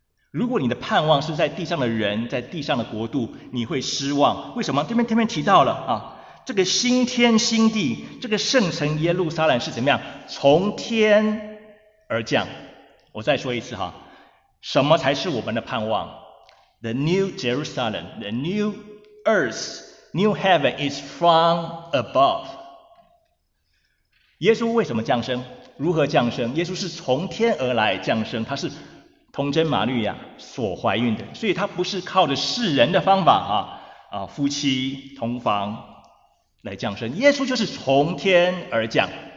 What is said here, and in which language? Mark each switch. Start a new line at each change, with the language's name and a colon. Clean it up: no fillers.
Chinese: 如果你的盼望是在地上的人，在地上的国度，你会失望。为什么？这边提到了，这个新天新地，这个圣城耶路撒冷是怎么样？从天而降。我再说一次，什么才是我们的盼望？
English: The new Jerusalem, the new earth, new heaven is from above.
Chinese: 耶稣为什么降生？如何降生？耶稣是从天而来降生，他是童贞玛利亚所怀孕的，所以他不是靠着世人的方法，夫妻同房来降生，耶稣就是从天而降。